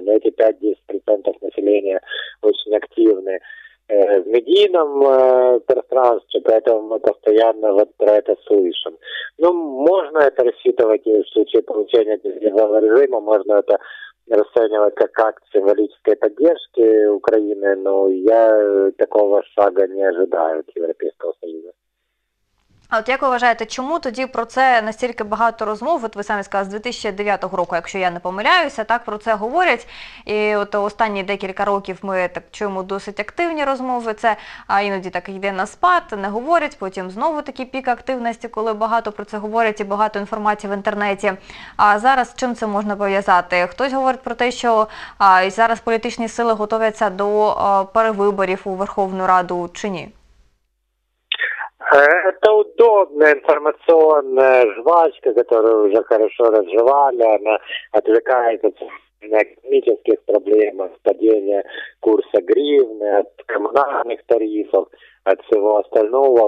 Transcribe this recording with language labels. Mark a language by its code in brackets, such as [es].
[ru] Но эти 5-10% населения очень активны в медийном пространстве, поэтому мы постоянно вот про это слышим. Ну, можно это рассчитывать в случае получения безвизового режима, можно это расценивать как акт символической поддержки Украины, но я такого шага не ожидаю от Европейского Союза. [uk] А от як ви вважаєте, чому тоді про це настільки багато розмов? От ви самі сказали, з 2009 року, якщо я не помиляюся, так про це говорять. І от останні декілька років ми так чуємо досить активні розмови. Це іноді так йде на спад, не говорять. Потім знову такий пік активності, коли багато про це говорять і багато інформації в інтернеті. А зараз чим це можна пов'язати? Хтось говорить про те, що зараз політичні сили готуються до перевиборів у Верховну Раду чи ні? [ru] Это удобная информационная жвачка, которую уже хорошо разжевали. Она отвлекает от экономических проблем, от падения курса гривны, от коммунальных тарифов, от всего остального.